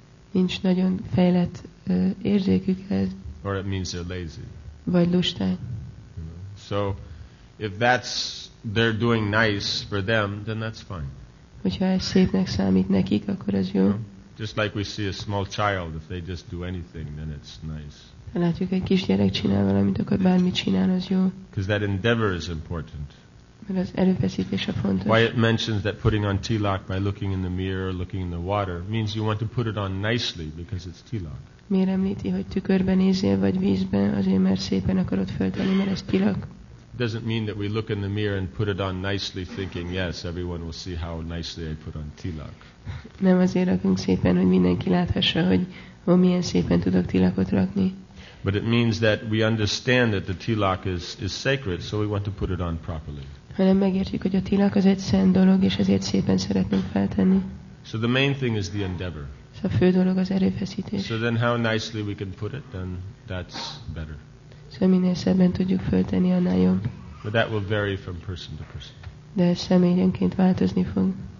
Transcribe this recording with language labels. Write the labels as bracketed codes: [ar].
[hu] Nincs nagyon fejlett érzékük ez. [en] Or it means they're lazy. [hu] Vagy lusták. [en] So, if that's they're doing nice for them, then that's fine. [hu] Hogyha ez szépnek számít nekik, akkor az jó. [en] Just like we see a small child, if they just do anything, then it's nice. [hu] Ha látjuk, egy kisgyerek csinál valamit, akkor bármit csinál, az jó. [en] Because that endeavor is important. [hu] Mert az erőfeszítés a fontos. [en] Why it mentions that putting on tilak by looking in the mirror, looking in the water, means you want to put it on nicely because it's tilak. [hu] Miért említi, hogy tükörben nézzél, vagy vízben, azért mert szépen akarod föltenni, mert ez tilak. [en] doesn't mean that we look in the mirror and put it on nicely, thinking, yes, everyone will see how nicely I put on tilak. [hu] Nem azért rakunk szépen, hogy mindenki láthassa, hogy milyen szépen tudok tilakot rakni. [en] But it means that we understand that the tilak is sacred, so we want to put it on properly. [hu] Hanem megértjük, hogy a tilak az egy szent dolog, és ezért szépen szeretnénk feltenni. [en] So the main thing is the endeavor. [hu] A fő dolog az erőfeszítés. [en] So then how nicely we can put it, then that's better. [hu] Szóval minél szebben tudjuk feltenni, annál jobb. [en] But that will vary from person to person. De ez személyenként változni fog.